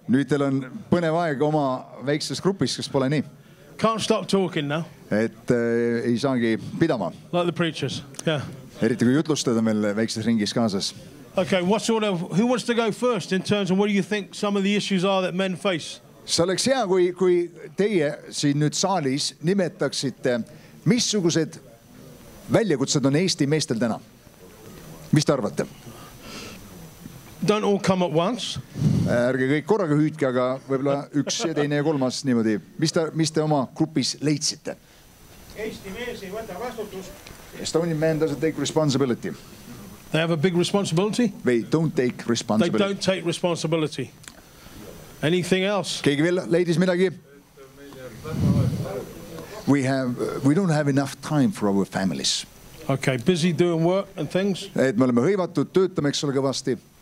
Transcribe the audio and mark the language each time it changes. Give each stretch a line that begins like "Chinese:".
Estonian: Nüüd teil on põnev aeg oma väikses grupis, kas pole nii.
English: Can't stop talking now.
Estonian: Et ei saagi pidama.
English: Like the preachers, yeah.
Estonian: Eriti kui jutlustada meil väikses ringis kaasas.
English: Okay, what sort of, who wants to go first in terms of what do you think some of the issues are that men face?
Estonian: See oleks hea, kui teie siin nüüd saalis nimetaksite, missugused väljakutsed on Eesti meestel täna? Mis te arvate?
English: Don't all come at once.
Estonian: Ärge kõik korraga hüüdke, aga võibolla üks ja teine ja kolmas niimoodi. Mis te oma grupis leidsite? Eesti mees ei võta vastutust.
English: Estonian man doesn't take responsibility. They have a big responsibility. They don't take responsibility. They don't take responsibility. Anything else?
Estonian: Keegi veel leidis midagi?
English: We don't have enough time for our families. Okay, busy doing work and things.
Estonian: Et me oleme hõivatud, töötame, eks ole kõvasti.